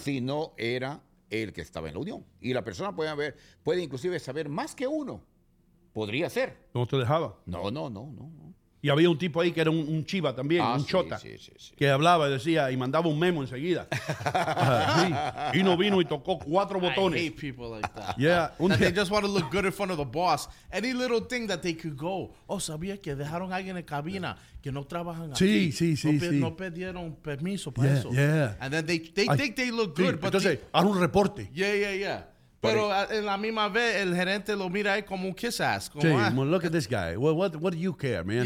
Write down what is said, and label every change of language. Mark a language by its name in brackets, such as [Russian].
[Spanish] Si no era el que estaba en la unión. Y la persona puede inclusive saber más que uno. Podría ser. ¿No te dejaba? No. Y había un tipo ahí que era un chiva también, chota, sí. Que hablaba y decía, y mandaba un memo enseguida. Sí. Y no vino y tocó 4 botones. [English] I hate people like that. Yeah. That they just want to look good in front of the boss. Any little thing that they could go. [Spanish] Oh, ¿sabía que dejaron a alguien en cabina que no trabajan sí, aquí? Sí, sí, no, sí. No perdieron permiso para [English] yeah, Yeah. And then they think they look good. [Spanish] Sí, entonces, haz un reporte. [English] Yeah. [Spanish] Pero en la misma vez, el gerente lo mira ahí como un [English] kiss ass. [Spanish] Como, [English] sí, well, look at this guy. Well, what do you care, man?